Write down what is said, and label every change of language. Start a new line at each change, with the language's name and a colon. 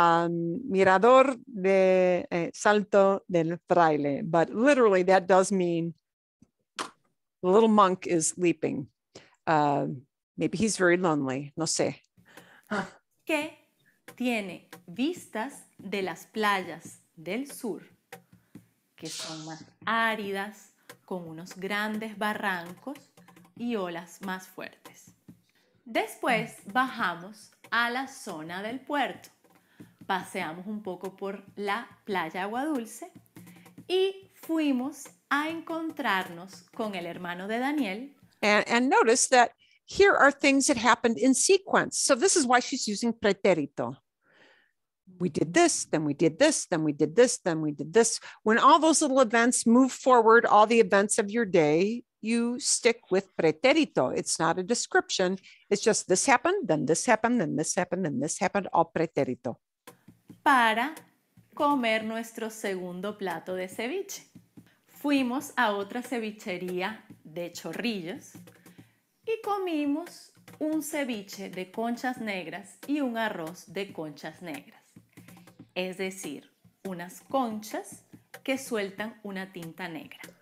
Spanish: Mirador de Salto del Fraile.
English: But literally that does mean the little monk is leaping. Maybe he's very lonely.
Spanish: No sé. Que tiene vistas de las playas del sur, que son más áridas, con unos grandes barrancos y olas más fuertes. Después bajamos a la zona del puerto. Paseamos un poco por la playa Agua Dulce y fuimos a encontrarnos con el hermano de Daniel.
English: And notice that here are things that happened in sequence. So this is why she's using pretérito. We did this, then we did this, then we did this, then we did this. When all those little events move forward, all the events of your day, you stick with pretérito. It's not a description. It's just this happened, then this happened, then this happened, then this happened, all pretérito.
Spanish: Para comer nuestro segundo plato de ceviche. Fuimos a otra cevichería de Chorrillos y comimos un ceviche de conchas negras y un arroz de conchas negras. Es decir, unas conchas que sueltan una tinta negra.